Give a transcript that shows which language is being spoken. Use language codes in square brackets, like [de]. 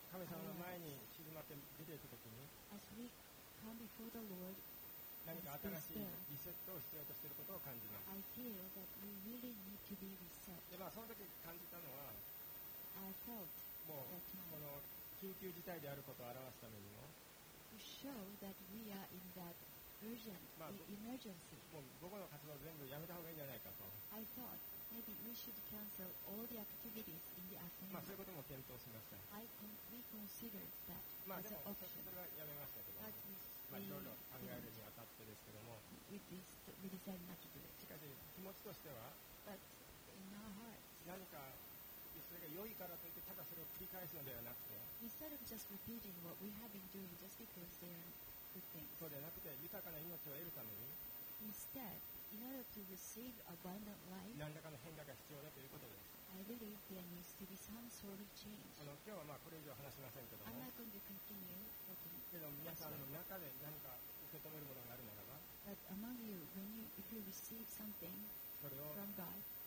[ja] 神様の前に静まって出ていくときに、 [en] As we come before the Lord, [ja] 何か新しいリセットを必要としていることを感じます。 [en] I feel that we really need to be reset. [ja] で、まあ、その時感じたのは、 [en] I felt [ja] もうこの緊急事態であることを表すためにも。 [en] To show that we are in that urgent、まあ、emergency. [ja] もう午後の活動全部やめた方がいいんじゃないかと。 [en] I thought maybe we should cancel all the activities in the afternoon. [ja] まあそういうことも検討しました。 [en] We considered that. [ja] まあでもそれはやめましたけど。 [en] But we [ja] まあいろいろ考えるにあたってですけども。 [en] We decided not to do it. [ja] しかし気持ちとしては、 [en] But in our hearts, [ja] 何か。それが良いからといってただそれを繰り返すのではなくて、 [en] instead of just repeating what we have been doing just because they are good things, [ja] そうではなくて豊かな命を得るために、 [en] instead, in order to receive abundant life, [ja] 何らかの変化が必要だということです。 [en] I believe there needs to be some sort of change. [ja] 今日はまあこれ以上話しませんけども、 [en] I'm not going to continue talking. [ja] けど皆さんの中で何か受け止めるものがあるならば、 [en] but among you, when you if you receive something from God.